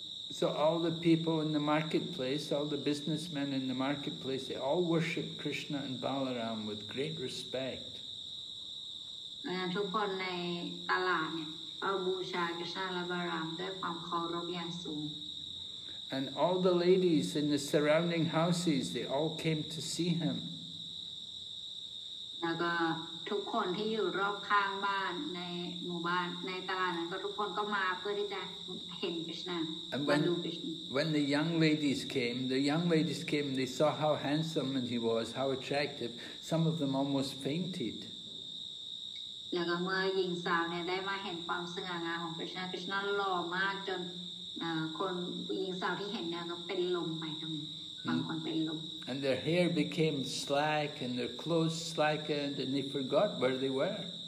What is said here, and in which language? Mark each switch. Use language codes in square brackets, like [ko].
[en] So all the people in the marketplace, all the businessmen in the marketplace, they all worship Krishna and Balaram with great respect. And all the ladies in the surrounding houses, they all came to see him. [th] แล้วก็ทุกคนที่อยู่รอบข้างบ้านในหมู่บ้านในตลาดนั้นก็ทุกคนก็มาเพื่อที่จะเห็นคริสต์นา [en] And when the young ladies came, they saw how handsome he was, how attractive. Some of them almost fainted. [th] แล้วก็เมื่อหญิงสาวเนี่ยได้มาเห็นความสง่างามของคริสต์นาหล่อมากจนคนหญิงสาวที่เห็นเนี่ยก็เป็นลมไปตรงนี้ [en] And their hair became slack, and their clothes slackened, and they forgot where they were.